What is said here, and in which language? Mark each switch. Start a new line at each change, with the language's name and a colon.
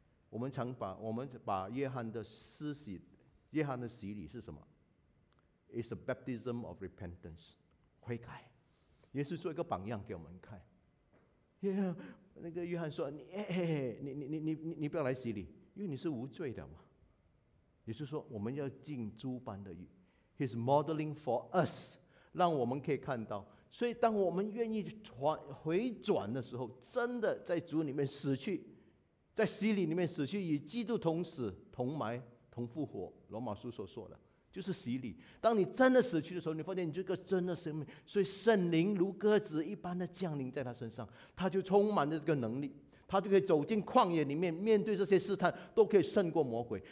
Chinese: 我们把约翰的施洗，约翰的洗礼是什么 ？
English: It's a baptism of repentance，
Chinese: 悔改。耶稣做一个榜样给我们看。那个约翰说：“你不要来洗礼。” 因为你是无罪的嘛，也就是说我们要进猪般的义。
English: He's modeling for us，
Chinese: 让我们可以看到。所以当我们愿意回转的时候，真的在主里面死去，在洗礼里面死去，与基督同死同埋同复活，罗马书所说的就是洗礼。当你真的死去的时候，你发现你这个真的生命，所以圣灵如鸽子一般的降临在他身上，他就充满了这个能力，他就可以走进旷野里面，面对这些试探都可以胜过魔鬼。